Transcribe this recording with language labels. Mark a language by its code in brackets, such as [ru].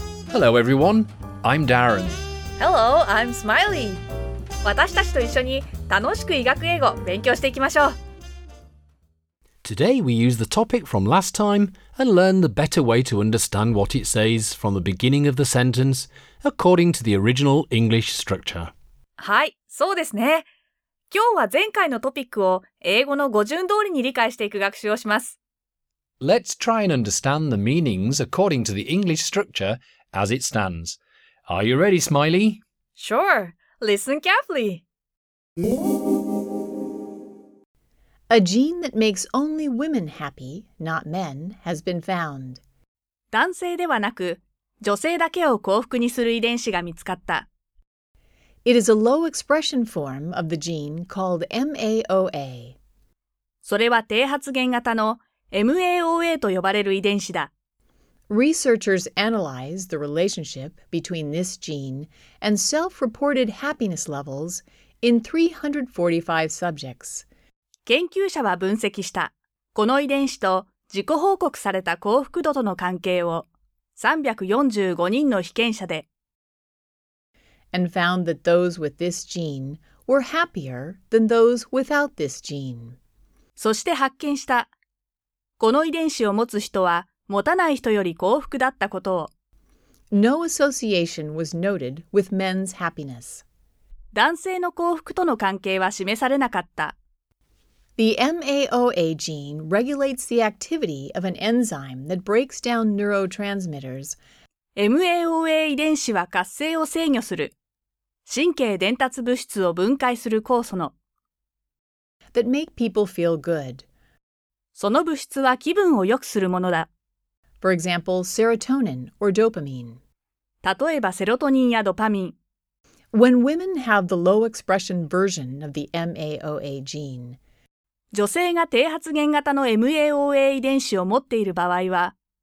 [en] Hello everyone, I'm Darren. Hello, I'm Smiley. [ja] 私たちと一緒に楽しく医学英語勉強していきましょう。 [en] Today we use the topic from last time and learn the better way to understand what it says from the beginning of the sentence according to the original English structure. [ja] はい、そうですね。今日は前回のトピックを英語の語順通りに理解していく学習をします。 [en] Let's try and understand the meanings according to the English structure as it stands. Are you ready, Smiley? Sure. Listen carefully. A gene that makes only women happy, not men, has been found. [ja] 男性ではなく、女性だけを幸福にする遺伝子が見つかった。 [en] It is a low expression form of the gene called MAOA. [ja] それは低発現型の MAOA と呼ばれる遺伝子だ。 [en] Researchers analyzed the relationship between this gene and self-reported happiness levels in 345 subjects. [ja] 研究者は分析した。この遺伝子と自己報告された幸福度との関係を345人の被験者で。 [en] And found that those with this gene were happier than those without this gene. [ja] そして発見した。この遺伝子を持つ人は、持たない人より幸福だったことを。 [en] No association was noted with men's happiness. [ja] 男性の幸福との関係は示されなかった。 [en] The MAOA gene regulates the activity of an enzyme that breaks down neurotransmitters. [ja] MAOA 遺伝子は活性を制御する。神経伝達物質を分解する酵素の。 [en] That make people feel good. [ja] その物質は気分を良くするものだ。 [en] For example, serotonin or dopamine. [ja] 例えばセロトニンやドパミン。 [en] When women have the low expression version of the MAOA gene, [ja] 女性が低発現型の MAOA 遺伝子を持っている場合は、